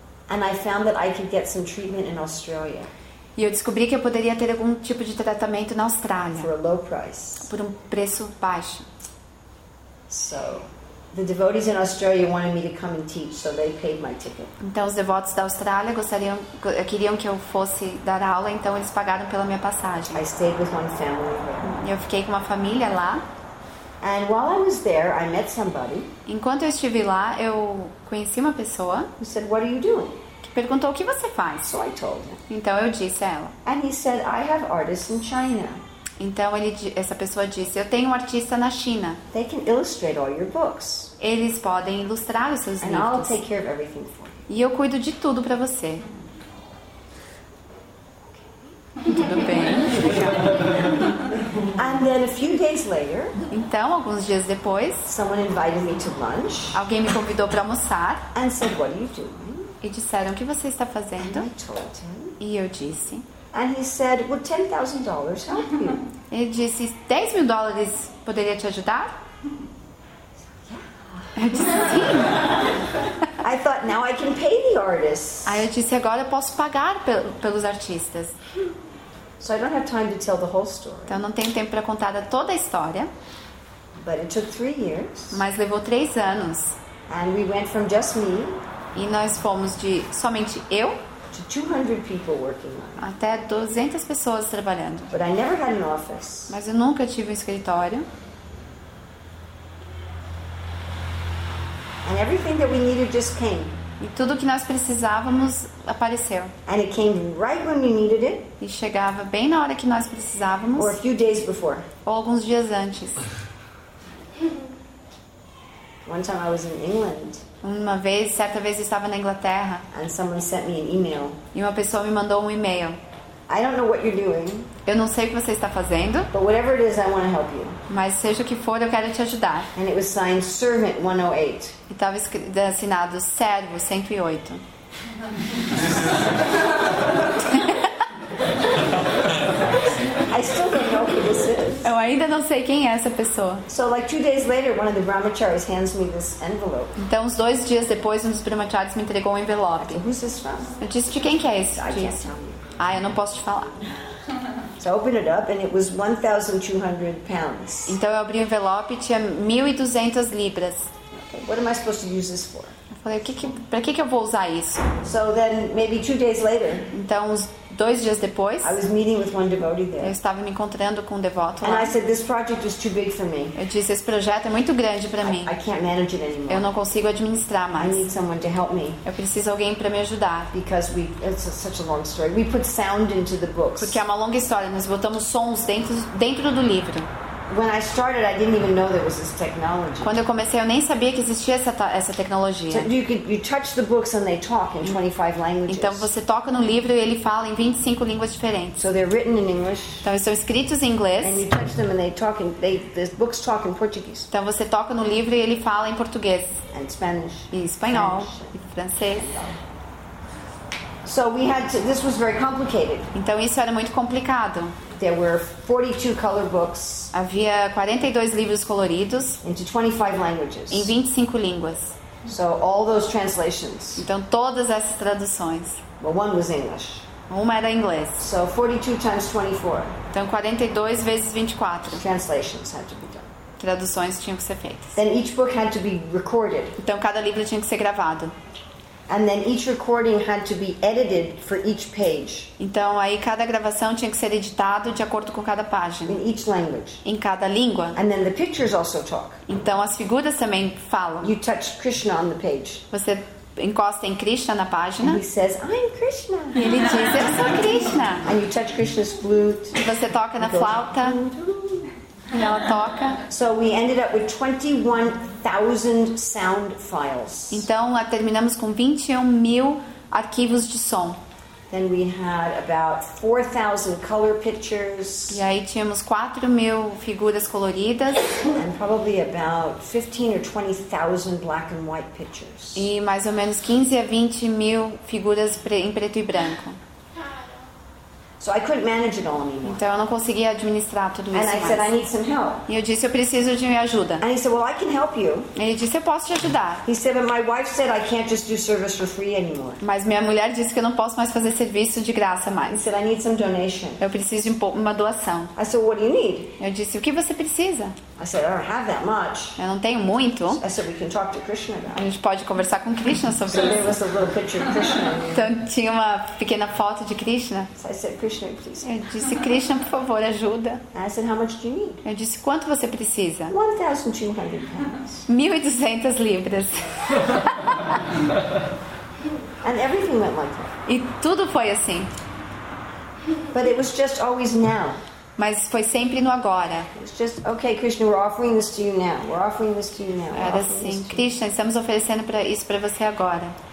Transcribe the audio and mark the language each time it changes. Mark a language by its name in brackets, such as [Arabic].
[English] And I found that I could get some treatment in Australia. [Portuguese] E eu descobri que eu poderia ter algum tipo de tratamento na Austrália. [English] For a low price. [Portuguese] Por um preço baixo. [English] So, the devotees in Australia wanted me to come and teach, so they paid my ticket. [Portuguese] Então os devotos da Austrália queriam que eu fosse dar aula, então eles pagaram pela minha passagem. [English] I stayed with one family. [Portuguese] Eu fiquei com uma família lá. [English] And while I was there, I met somebody. [Portuguese] Enquanto eu estive lá, eu conheci uma pessoa. [English] Who said, "What are you doing?" [Portuguese] Que perguntou o que você faz. [English] So I told him. [Portuguese] Então eu disse a ela. [English] And he said, "I have artists in China." [Portuguese] Então essa pessoa disse, eu tenho um artista na China. [English] They can illustrate all your books. [Portuguese] Eles podem ilustrar os seus [English] and [Portuguese] livros. [English] I'll take care of everything for you. [Portuguese] E eu cuido de tudo para você. Tudo bem. [English] And then a few days later, [Portuguese] então, alguns dias depois, [English] someone invited me to lunch, [Portuguese] alguém me convidou para almoçar. [English] And said, "What are you doing?" [Portuguese] E disseram, o que você está fazendo? [English] And I told him, [Portuguese] e eu disse... [English] And he said, "Would $10,000 help you?" [Portuguese] Ele disse, $10,000 poderia te ajudar? [English] Yeah. [Portuguese] Eu disse, sim. [English] I thought now I can pay the artists. [Portuguese] Aí eu disse, agora eu posso pagar pelos artistas. [English] So I don't have time to tell the whole story. [Portuguese] Então não tenho tempo para contar toda a história. [English] But it took 3 years. [Portuguese] Mas levou 3 anos. [English] And we went from just me. [Portuguese] E nós fomos de somente eu. [English] To 200 people working on it. [Portuguese] Até 200 pessoas trabalhando. [English] But I never had an office. [Portuguese] Mas eu nunca tive um escritório. [English] And everything that we needed just came. [Portuguese] E tudo que nós precisávamos apareceu. [English] And it came right when we needed it. [Portuguese] E chegava bem na hora que nós precisávamos. [English] Or a few days before. [Portuguese] Ou alguns dias antes. [English] One time I was in England. [Portuguese] Uma vez, certa vez eu estava na Inglaterra. [English] And someone sent me an email. [Portuguese] E uma pessoa me mandou um e-mail. [English] I don't know what you're doing. [Portuguese] Eu não sei o que você está fazendo. [English] But whatever it is, I want to help you. [Portuguese] Mas seja o que for, eu quero te ajudar. [English] And it was signed Servant 108. [Portuguese] E estava assinado Servo 108. [English] I still don't know who this is. [Portuguese] Eu ainda não sei quem é essa pessoa. [English] So like 2 days later, one of the brahmacharis hands me this envelope. [Portuguese] Então uns 2 dias depois, um dos brahmacharis me entregou um envelope. [English] Said, who's this from? [Portuguese] Eu disse, de quem que é esse? [English] I can't tell you. [Portuguese] Ah, eu não posso te falar. [English] So I opened it up and it was 1,200 pounds. [Portuguese] Então eu abri o envelope e tinha 1,200 libras. [English] Okay, what am I supposed to use this for? [Portuguese] Eu falei, para que eu vou usar isso? [English] So then maybe 2 days later. [Portuguese] Então uns 2 dias depois. [English] I was meeting with one devotee there. [Portuguese] Eu estava me encontrando com um devoto lá. [English] And I said, this project is too big for me. [Portuguese] Eu disse, esse projeto é muito grande para mim. [English] I can't manage it anymore. [Portuguese] Eu não consigo administrar mais. [English] I need someone to help me. [Portuguese] Eu preciso alguém para me ajudar. [English] Because we, it's such a long story. We put sound into the books. [Portuguese] Porque é uma longa história. Nós botamos sons dentro do livro. [English] When I started, I didn't even know there was this technology. [Portuguese] Quando eu comecei, eu nem sabia que existia essa tecnologia. [English] So you touch the books and they talk in 25 languages. [Portuguese] Então você toca no livro e ele fala em 25 línguas diferentes. [English] So they're written in English. [Portuguese] Então eles são escritos em inglês. [English] And you touch them and they talk in the books talk in Portuguese. [Portuguese] Então você toca no livro e ele fala em português. [English] And Spanish. [Portuguese] E espanhol. [English] Spanish. [Portuguese] E francês. [English] So we had to, this was very complicated. [Portuguese] Então isso era muito complicado. [English] There were 42 color books. [Portuguese] Havia 42 livros coloridos. [English] Into 25 languages. [Portuguese] Em 25 línguas. [English] So all those translations. [Portuguese] Então todas essas traduções. [English] But one was English. [Portuguese] Uma era inglês. [English] So 42 times 24. [Portuguese] Então 42 vezes 24. [English] Translations had to be done. [Portuguese] Traduções tinham que ser feitas. [English] Then each book had to be recorded. [Portuguese] Então cada livro tinha que ser gravado. [English] And then each recording had to be edited for each page. [Portuguese] Então aí cada gravação tinha que ser editado de acordo com cada página. [English] In each language. [Portuguese] Em cada língua. [English] And then the pictures also talk. [Portuguese] Então as figuras também falam. [English] You touch Krishna on the page. [Portuguese] Você encosta em Krishna na página. [English] And he says, "I'm Krishna." [Portuguese] E ele diz, "Eu sou Krishna." [English] And you touch Krishna's flute. [Portuguese] E você toca na flauta. E ela toca. [English] So we ended up with 21,000 sound files. [Portuguese] Então terminamos com 21,000 arquivos de som. [English] Then we had about 4,000 color pictures. [Portuguese] E aí tínhamos 4,000 figuras coloridas. [English] And probably about 15,000 or 20,000 black and white pictures. [Portuguese] E mais ou menos 15,000 a 20,000 figuras em preto e branco. [English] So I couldn't manage it all anymore. [Portuguese] Então eu não conseguia administrar tudo isso. [English] And I said, I need some help. [Portuguese] E eu disse, eu preciso de minha ajuda. [English] And he said, well, I can help you. [Portuguese] E ele disse, eu posso te ajudar. [English] He said, but my wife said I can't just do service for free anymore. [Portuguese] Mas minha mulher disse que eu não posso mais fazer serviço de graça mais. [English] He said, I need some donation. [Portuguese] Eu preciso de uma doação. [English] I said, what do you need? [Portuguese] Eu disse, o que você precisa? [English] I said, I don't have that much. [Portuguese] Eu não tenho muito. [English] I said, we can talk to Krishna about. [Portuguese] A gente pode conversar com Krishna sobre isso. [English] So there was a little picture of Krishna. [Portuguese] Então tinha uma pequena foto de Krishna. [English] So I said, Krishna, please. [Portuguese] Eu disse, Krishna, por favor, ajuda. [English] I said, how much do you need? [Portuguese] Eu disse, quanto você precisa? [English] 1,200 pounds. [Portuguese] 1,200 libras. [English] And everything went like that. [Portuguese] E tudo foi assim. [English] But it was just always now. [Portuguese] Mas foi sempre no agora. [English] It's just, okay, Krishna, we're offering this to you now. We're offering this to you now. [Portuguese] Era assim, Krishna, estamos oferecendo isso para você agora.